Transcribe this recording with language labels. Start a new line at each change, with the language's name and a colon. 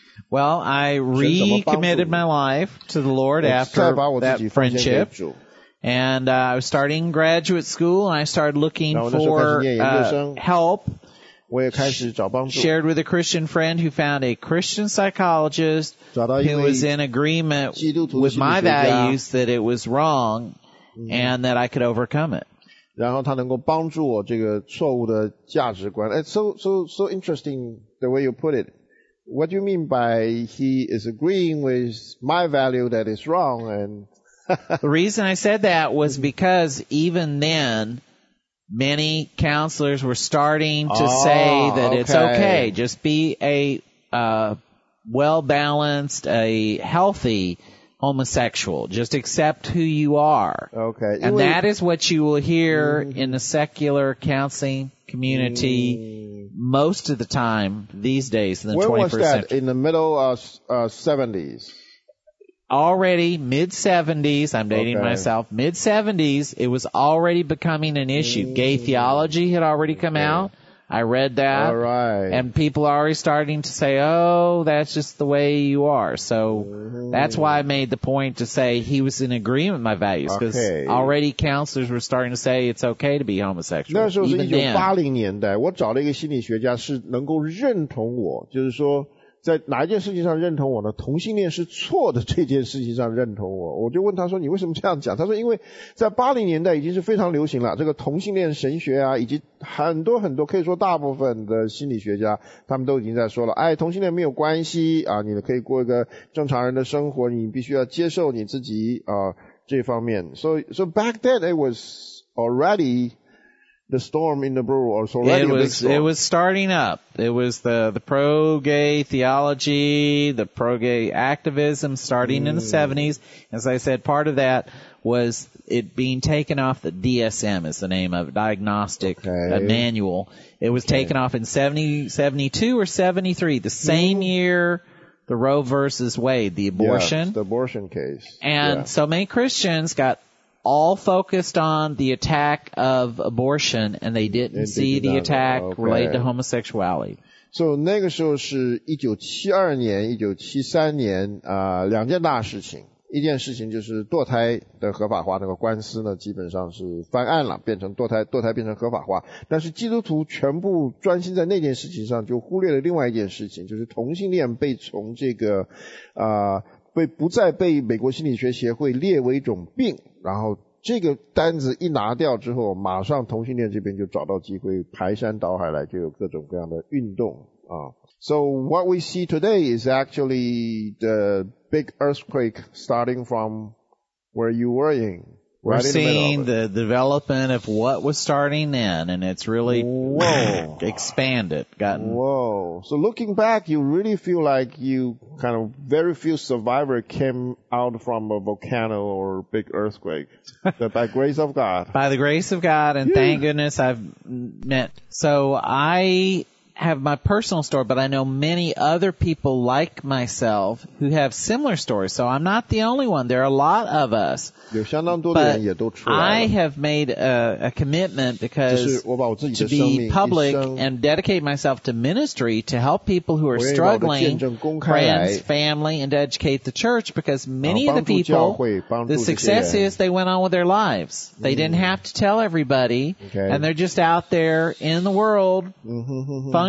English: Well, I recommitted my life to the Lord after that friendship And I was starting graduate school and I started looking for help. Shared with a Christian friend who found a Christian psychologist who was in agreement with my values that it was wrong and that I could overcome it.
Chinese: 然后他能够帮助我这个错误的价值观。
English: It's so interesting the way you put it. What do you mean by he is agreeing with my value that is wrong? And the reason I said that was because even then, many counselors were starting to say that it's okay. Just be a well-balanced, a healthy homosexual. Just accept who you are. Okay. And that is what you will hear in the secular counseling community. Most of the time these days in the 21st century. When was that? In the middle of 70s? Already mid-70s. I'm dating myself. Mid-70s, it was already becoming an issue. Gay theology had already come out. I read that. All right. And people are already starting to say, oh, that's just the way you are. So that's why I made the point to say he was in agreement with my values. Because already counselors were starting to say it's okay to be homosexual.
Chinese: 那时候是1980年代，我找了一个心理学家是能够认同我，就是说在哪一件事情上认同我呢？同性恋是错的这件事情上认同我。我就问他说你为什么这样讲？他说因为在80年代已经是非常流行了，这个同性恋神学啊，以及很多很多可以说大部分的心理学家他们都已经在说了哎，同性恋没有关系啊，你可以过一个正常人的生活，你必须要接受你自己啊这方面。
English: So back then it was alreadythe storm in the brew or so it was starting up it was the pro gay theology the pro gay activism starting in the 70s as I said part of that was it being taken off the DSM is the name of it, diagnostic manual it was taken off in 72 or 73 the same year the Roe versus Wade the abortion the abortion case and so many Christians got all focused on the attack of abortion and they didn't see the attack related to homosexuality.
Chinese: So, 那个时候是1972年 ,1973 年两件大事情。一件事情就是堕胎的合法化那个官司呢基本上是翻案了变成堕胎变成合法化。但是基督徒全部专心在那件事情上就忽略了另外一件事情就是同性恋被从这个被不再被美国心理学协会列为一种病。然后这个单子一拿掉之后马上同性恋这边就找到机会排山倒海来就有各种各样的运动啊。
English: So what we see today is actually the big earthquake starting from where you were in. We're seeing the development of what was starting then and it's really expanded. So looking back, you really feel like you kind of very few survivors came out from a volcano or big earthquake. But by grace of God. By the grace of God and thank goodness I've met. So I have my personal story, but I know many other people like myself who have similar stories. So I'm not the only one. There are a lot of us.
Chinese: 有相当多的人也都出来了。
English: I have made a commitment because
Chinese: 就是我把我自己的生命
English: to be public and dedicate myself to ministry to help people who are struggling, friends, family, and to educate the church because many of the people, the success is they went on with their lives. They didn't have to tell everybody, and they're just out there in the world functioning.